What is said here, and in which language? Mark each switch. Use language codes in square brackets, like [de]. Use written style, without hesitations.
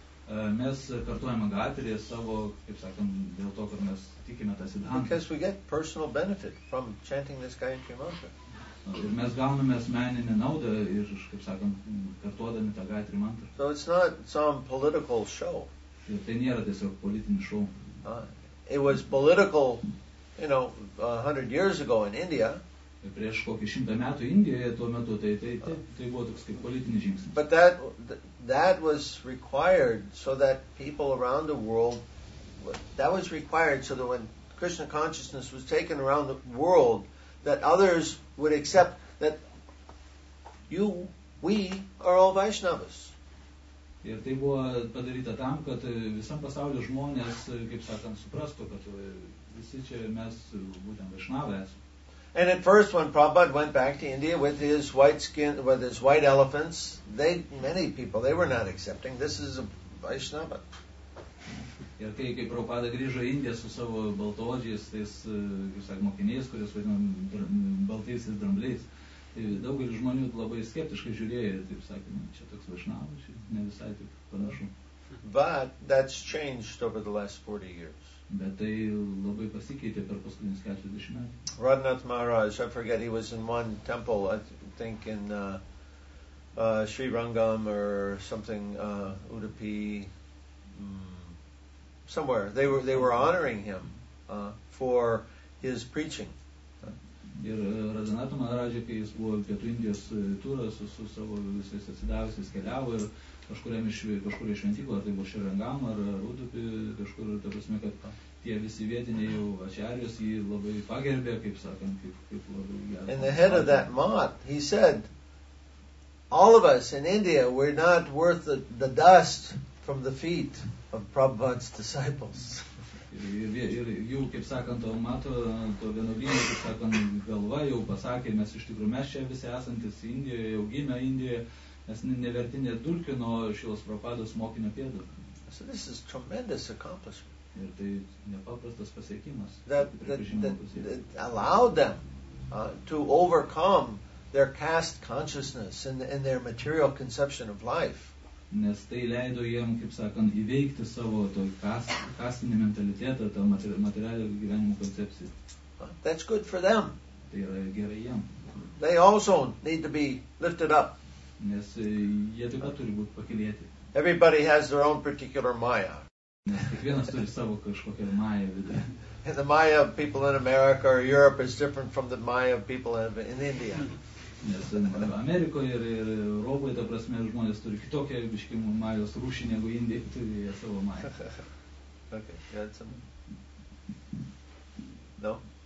[lt] Mes kartuojame Gayatri savo, kaip sakant, dėl to, kad mes tikime tą Siddhanta. [en] Because we get personal benefit from chanting this Gayatri mantra. [lt] Ir mes gauname asmeninę naudą ir, kaip sakant, kartuodami tą Gayatri mantrą. [en] So it's not some political show. [lt] Ir tai nėra tiesiog politinis šou. [en] It was political, you know, 100 years ago in India. [lt] prieš kokį 100 metų Indijoje tuo metu, tai buvo toks kaip politinis žingsnis. [en] But that was required so that people around the world, that was required so that when Krishna consciousness was taken around the world, that others would accept that we are all Vaishnavas. [lt] Ir tai buvo padaryta tam, kad visam pasaulio žmonės, kaip sakant, suprastų, kad visi čia mes būtent Vaishnava esam. [en] And at first when Prabhupada went back to India with his white skin, with his white elephants, many people were not accepting. This is a Vaishnava. [lt] Ir kai Prabhupada grįžo į Indiją su savo baltodžiais, tais, kaip sakant, mokiniais, kuriuos vadinam baltaisiais drambliais, tai daugelis žmonių labai skeptiškai žiūrėjo, taip sakant, čia toks Vaishnava, čia ne visai taip panašu. [en] But that's changed over the last 40 years. [lt] Bet tai labai pasikeitė per paskutinius 40 metų. [en] Radhanath Maharaj, I forget, he was in one temple, I think in Sri Rangam or something, Udupi, somewhere. They were honoring him for his preaching. [lt] Ir Radhanath Maharaj, kai jis buvo pietų Indijos turas su savo visais atsidavusiais keliavo ir kažkur iš šventyklą, ar tai buvo Sri Rangam ar Udupi, kažkur, ta prasme, kad tie visi vietiniai jau ačiarius jį labai pagerbė, kaip sakant, kaip labai gerbė. [en] And the head of that mot, he said, all of us in India, we're not worth the dust from the feet of Prabhupada's disciples. [lt] Ir jų, kaip sakant, to vienuolyno, kaip sakant, galva jau pasakė, mes iš tikrųjų, mes čia visi esantis Indijoje, jau gimę Indijoje, mes nevertinė dulkių nuo šios Prabhupados mokinio pėdų. [en] So this is tremendous accomplishment. [lt] Ir tai nepaprastas pasiekimas. [en] That allowed them to overcome their caste consciousness and their material conception of life. [lt] Nes tai leido jiem, kaip sakant, įveikti savo to kastinį mentalitetą, tą materialio gyvenimo koncepciją. [en] That's good for them. [lt] Tai yra gerai jiem. [en] They also need to be lifted up. [lt] Nes jie taip pat turi būti pakylėti. [en] Everybody has their own particular maya. [lt] Kiekvienas turi savo kažkokią Maya vidą. [en] And the Maya of people in America or Europe is different from the Maya of people in India. [lt] Nes Amerikoje ir Europoje, ta prasme, žmonės turi kitokią biškį Majos rūšį negu Indija, turi jie savo Maya. [en] Okay, you had some? No?